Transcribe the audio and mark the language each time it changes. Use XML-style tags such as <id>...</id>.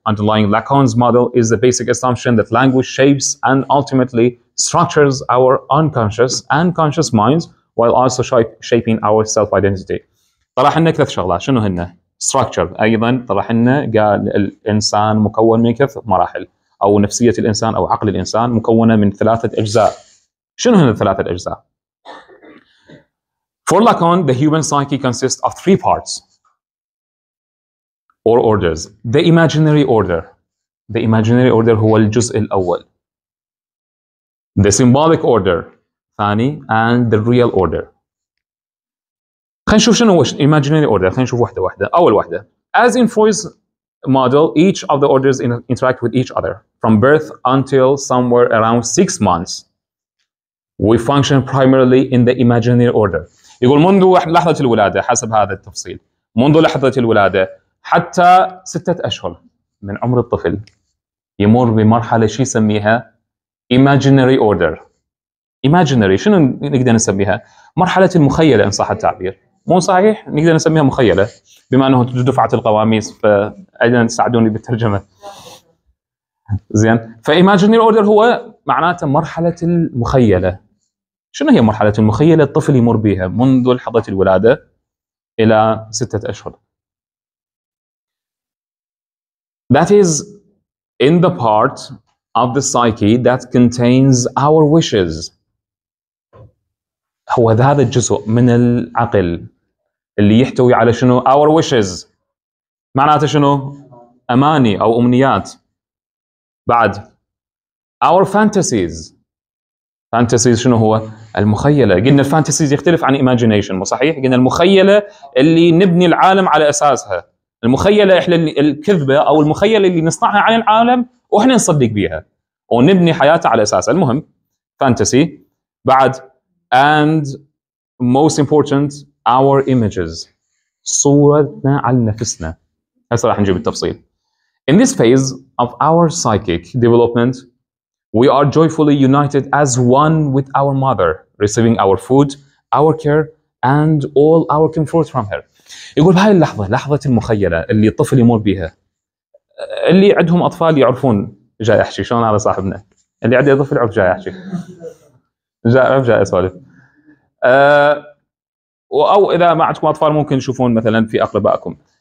<en>Underlying Lacan's model is the basic assumption that language shapes and ultimately structures our unconscious and conscious minds, while also shaping our self-identity.</en> <ar>طرح لنا ثلاث شغلات، شنو هن؟ Structure. أيضا طرح لنا قال الإنسان مكون من ثلاث مراحل، أو نفسية الإنسان أو عقل الإنسان مكونة من ثلاثة أجزاء. شنو هن الثلاثة أجزاء؟</ar> <en>For Lacan, the human psyche consists of three parts or orders. The imaginary order.</en> <ar>The imaginary order هو الجزء الأول.</ar> <en>The symbolic order,</en> <ar>ثاني,</ar> <en>and the real order.</en> <ar>خلينا نشوف شنو هو imaginary order. خلينا نشوف واحدة واحدة. أول واحدة</ar> <en>as in Freud's model, each of the orders interact with each other from birth until somewhere around 6 months. We function primarily in the imaginary order.</en> <ar>يقول منذ لحظة الولادة حسب هذا التفصيل منذ لحظة الولادة حتى 6 أشهر من عمر الطفل يمر بمرحلة شيء يسميها imaginary order. imaginary شنو نقدر نسميها؟ مرحلة المخيلة إن صح التعبير. مو صحيح نقدر نسميها مخيلة بما أنه دفعة القواميس فأيضاً ساعدوني بالترجمة زين. فimaginary order هو معناته مرحلة المخيلة. شنو هي مرحلة المخيلة؟ الطفل يمر بها منذ لحظة الولادة إلى 6 أشهر.</ar> <en>That is in the part of the psyche that contains our wishes.</en> <ar>هو هذا الجزء من العقل اللي يحتوي على شنو؟</ar> <en>Our wishes.</en> <ar>معناته شنو؟ أماني أو أمنيات. بعد</ar> <en>Our fantasies.</en> <ar>Fantasies شنو هو؟ المخيلة. قلنا الفانتسيز يختلف عن imagination صحيح؟ قلنا المخيلة اللي نبني العالم على أساسها. المخيلة إحنا الكذبة أو المخيلة اللي نصنعها عن العالم وإحنا نصدق بيها ونبني حياتها على أساسها. المهم</ar> <en>fantasy.</en> <ar>بعد</ar> <en>And most important our images.</en> <ar>صورتنا على نفسنا. هسه راح نجيب التفصيل.</ar> <en>In this phase of our psychic development we are joyfully united as one with our mother, receiving our food, our care, and all our comfort from her.</en> <ar>يقول بهاي اللحظة، لحظة المخيلة اللي الطفل يمر بها، اللي عندهم أطفال يعرفون جاي أحشي شلون هذا صاحبنا، اللي عنده طفل يعرف جاي أحشي، جاي أسولف. أو إذا ما عندكم أطفال ممكن تشوفون مثلاً في أقربائكم.</ar>